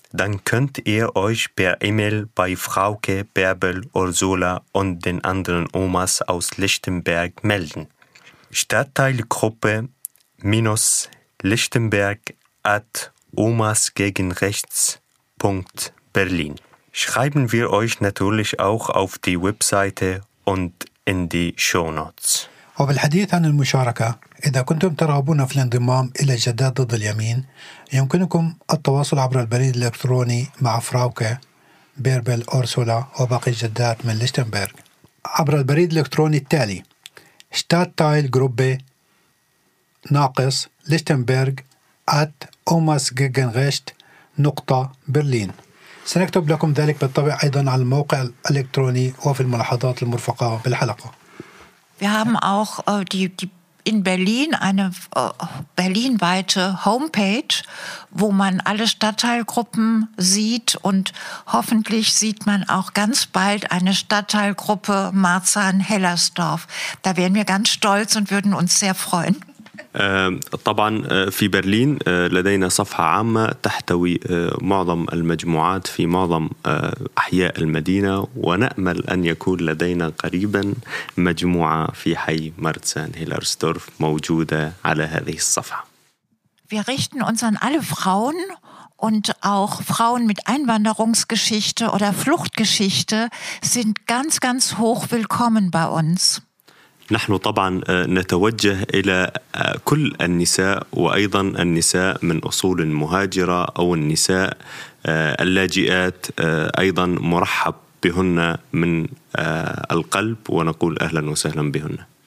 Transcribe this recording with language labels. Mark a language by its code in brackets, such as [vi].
[de] dann könnt ihr euch per E-Mail bei Frauke, Bärbel, Ursula und den anderen Omas aus Lichtenberg melden. Stadtteilgruppe-lichtenberg@omasgegenrechts.berlin. Schreiben wir euch natürlich auch auf die Webseite und in die Shownotes. [ar] وبالحديث عن المشاركة، إذا كنتم ترغبون في الانضمام إلى جداد ضد اليمين، يمكنكم التواصل عبر البريد الإلكتروني مع فراوكة، بيربل، أورسولا وباقي الجدات من ليشتنبرغ عبر البريد الإلكتروني التالي: stadtteilgruppe-lichtenberg@omasgegenrechts.berlin. سنكتب لكم ذلك بالطبع أيضا على الموقع الإلكتروني وفي الملاحظات المرفقة بالحلقة. [de] Wir haben auch in Berlin eine berlinweite Homepage, wo man alle Stadtteilgruppen sieht. Und hoffentlich sieht man auch ganz bald eine Stadtteilgruppe Marzahn-Hellersdorf. Da wären wir ganz stolz und würden uns sehr freuen. [ar] طبعا في برلين لدينا صفحة عامة تحتوي معظم المجموعات في معظم أحياء المدينة ونأمل أن يكون لدينا قريبا مجموعة في حي مارتسان هيلرسدورف موجودة على هذه الصفحة. [de] Wir richten uns an alle Frauen und auch Frauen mit Einwanderungsgeschichte oder Fluchtgeschichte sind ganz ganz hoch willkommen bei uns. [ar] نحن طبعا نتوجه إلى كل النساء وأيضا النساء من أصول مهاجرة أو النساء اللاجئات أيضا مرحب بهن من القلب ونقول أهلا وسهلا بهن.